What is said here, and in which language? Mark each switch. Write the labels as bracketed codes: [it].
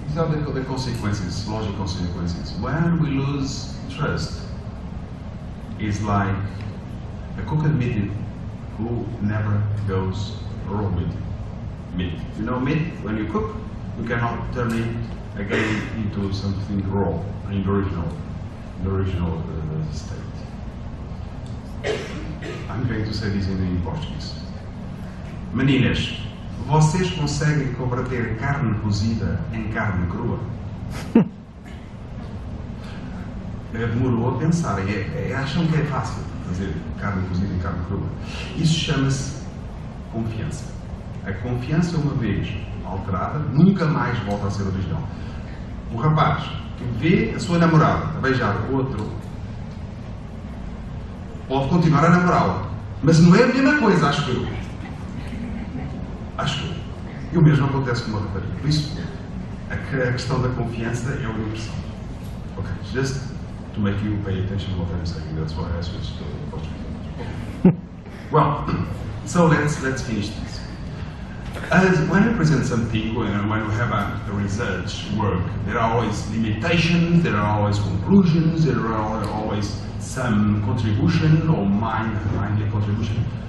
[en] These are the consequences, logical consequences. When we lose trust, it's like a cook admitted who never goes raw with meat. You know meat, when you cook, you cannot turn it again into something raw, in the original state. I'm going to say this in Portuguese. [pt] Meninas, vocês conseguem converter carne cozida em carne crua? Demorou a pensar, acham que é fácil. Fazer carne cozida e carne crua. Isso chama-se confiança. A confiança, uma vez alterada, nunca mais volta a ser original. Um rapaz que vê a sua namorada a beijar o outro pode continuar a namorá-la. Mas não é a mesma coisa, acho que eu. Acho que eu. E o mesmo acontece com uma rapariga. Por isso, a questão da confiança é uma impressão. [en] Ok, just to make you pay attention to what I'm saying, that's why I switched to Portuguese. Well, so let's finish this. As when I present something, when we have a research work, there are always limitations, there are always conclusions, there are always some contribution or minor contribution.